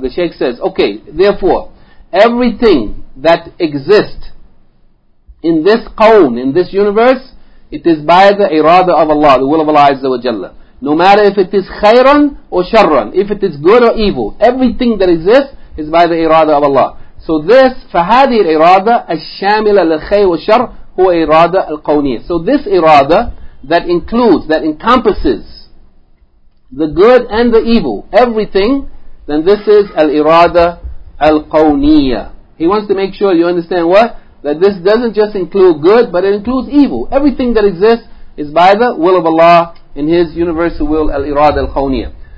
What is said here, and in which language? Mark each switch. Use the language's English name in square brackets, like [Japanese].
[English] The Shaykh says, okay, therefore, everything that exists in this qawm, in this universe, it is by the irada of Allah, the will of Allah Azza wa Jalla. No matter if it is khayran or sharran, if it is good or evil, everything that exists is by the irada of Allah. So this, [Arabic] فهذه الإرادة الشاملة للخير والشر هو إرادة القونية. [English] So this irada that includes, that encompasses the good and the evil, everything, then this is al-irada al-qawniya. He wants to make sure you understand what? That this doesn't just include good, but it includes evil. Everything that exists is by the will of Allah in His universal will, al-irada al-qawniya.